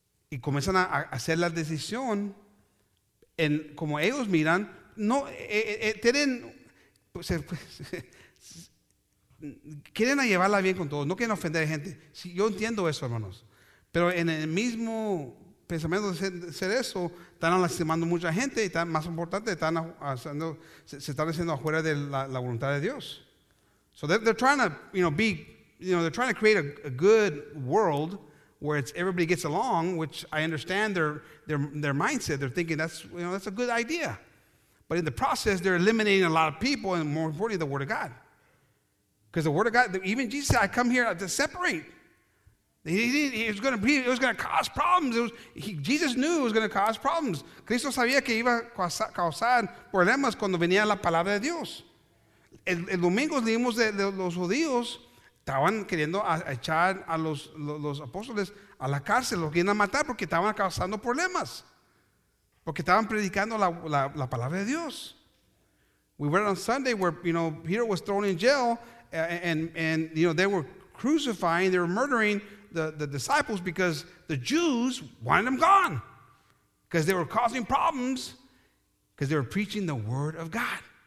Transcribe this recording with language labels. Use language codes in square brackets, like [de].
[es] Y comienzan a hacer la decisión en como ellos miran, no, tienen, pues, quieren llevarla bien con todos, no quieren ofender a gente. Sí, yo entiendo eso, hermanos. Pero en el mismo pensamiento de ser eso, están lastimando mucha gente y están, más importante, se están haciendo afuera de la voluntad de Dios. [en] So they're trying to, you know, be, you know, they're trying to create a good world where it's everybody gets along, which I understand their mindset. They're thinking that's, you know, that's a good idea. But in the process, they're eliminating a lot of people and more importantly, the word of God. Because the word of God, even Jesus said, I come here to separate. It was going to cause problems. Jesus knew it was going to cause problems. [es] Cristo sabía que iba a causar problemas cuando venía la palabra de Dios. El domingo leímos de los judíos, estaban queriendo echar a los apóstoles a la cárcel, los querían matar porque estaban causando problemas. Porque estaban predicando la palabra de Dios. [en] We read on Sunday where, you know, Peter was thrown in jail. And you know, they were crucifying, they were murdering the disciples because the Jews wanted them gone because they were causing problems because they were preaching the word of God.